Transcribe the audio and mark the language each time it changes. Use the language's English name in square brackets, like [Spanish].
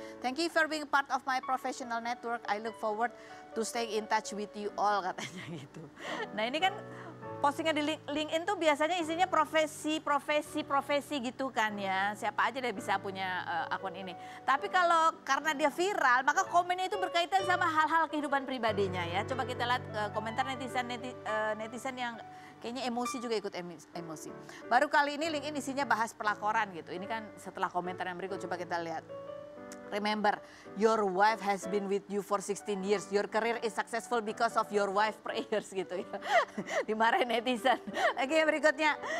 [English] Thank you for being part of my professional network. I look forward to staying in touch with you all, [Indonesian] katanya gitu. Nah, ini kan postingnya di LinkedIn tuh biasanya isinya profesi gitu kan ya. Siapa aja deh bisa punya akun ini. Tapi kalau karena dia viral, maka komennya itu berkaitan sama hal-hal kehidupan pribadinya ya. Coba kita lihat komentar netizen yang kayaknya emosi juga ikut emosi. Baru kali ini LinkedIn isinya bahas pelakoran gitu. Ini kan setelah komentar yang berikut, coba kita lihat. [English] Remember, your wife has been with you for 16 years. Your career is successful because of your wife prayers, [Indonesian] gitu ya. Dimarahin netizen. Oke, yang berikutnya.